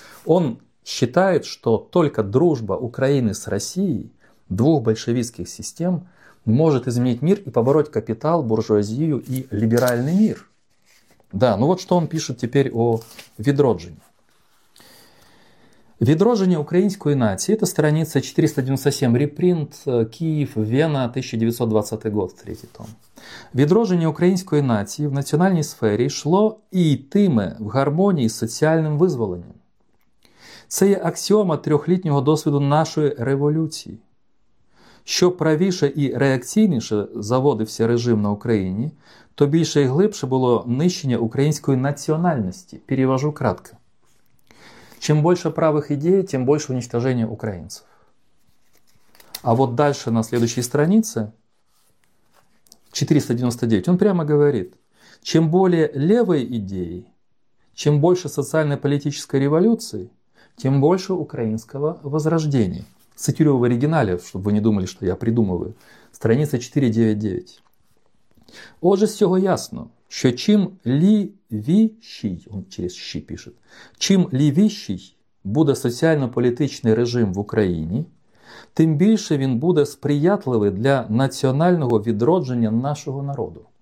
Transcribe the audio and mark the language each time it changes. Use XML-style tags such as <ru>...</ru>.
<ru>Он считает, что только дружба Украины с Россией, двух большевистских систем, может изменить мир и побороть капитал, буржуазию и либеральный мир. Да, ну вот что он пишет теперь о Ведроджині. «Ведроджині української нації» – это страница 497, репринт, Киев, Вена, 1920 год, третий том.</ru> <uk>«Ведроджині української нації в національній сфері йшло і йтиме в гармонії з соціальним визволенням. Це є аксіома трьохлітнього досвіду нашої революції. Що правіше і реакційніше заводився режим на Україні, то більше і глибше було нищення української національності».</uk> <ru>Перевожу кратко. Чем больше правых идей, тем больше уничтожения украинцев. А вот дальше на следующей странице, 499, он прямо говорит, чем более левые идеи, чем больше социально-политической революции, тем больше украинского возрождения. Цитирую в оригинале, чтобы вы не думали, что я придумываю. Страница 499.</ru> <uk>Отже, з цього ясно, що чим лівіший,</uk> <ru>он через</ru> <uk>«щі» пише, чим лівіший буде соціально-політичний режим в Україні, тим більше він буде сприятливий для національного відродження нашого народу.</uk>